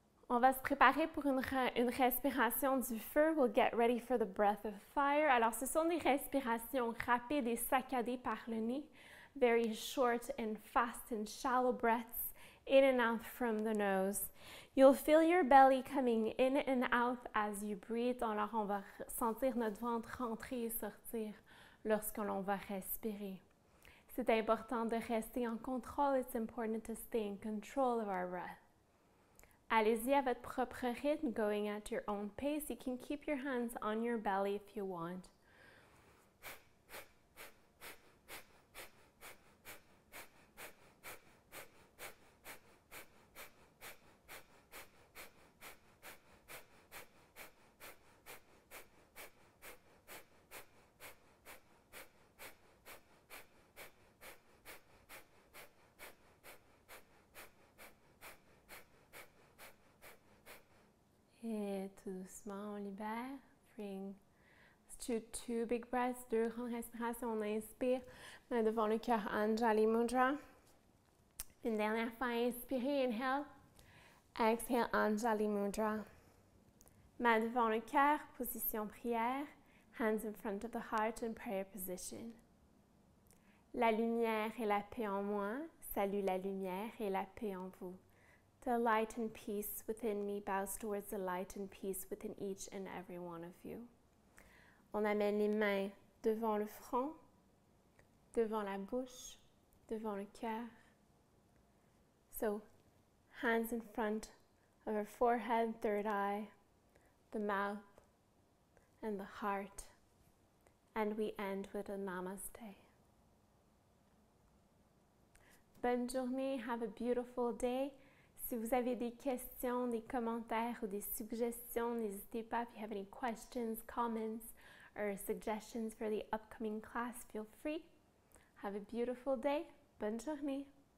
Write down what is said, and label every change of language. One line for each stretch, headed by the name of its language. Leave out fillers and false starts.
French: On va se préparer pour une respiration du feu.
English: We'll get ready for the breath of fire.
French: Alors, ce sont des respirations rapides et saccadées par le nez.
English: Very short and fast and shallow breaths in and out from the nose. You'll feel your belly coming in and out as you breathe.
French: Alors, on va sentir notre ventre rentrer et sortir lorsque l'on va respirer. C'est important de rester en contrôle.
English: It's important to stay in control of our breath.
French: Allez-y à votre propre rythme,
English: going at your own pace. You can keep your hands on your belly if you want.
French: Et tout doucement, on libère.
English: Bring two big breaths,
French: deux grandes respirations. On inspire, mets devant le cœur Anjali Mudra. Une dernière fois, inspirez,
English: inhale. Exhale,
French: Anjali Mudra. Mets devant le cœur, position prière.
English: Hands in front of the heart in prayer position.
French: La lumière et la paix en moi, salue la lumière et la paix en vous.
English: The light and peace within me bows towards the light and peace within each and every one of you.
French: On amène les mains devant le front, devant la bouche, devant le cœur.
English: So, hands in front of our forehead, third eye, the mouth, and the heart. And we end with a namaste.
French: Bonne journée,
English: have a beautiful day.
French: Si vous avez des questions, des commentaires ou des suggestions, n'hésitez pas.
English: If you have any questions, comments, or suggestions for the upcoming class, feel free. Have a beautiful day.
French: Bonne journée.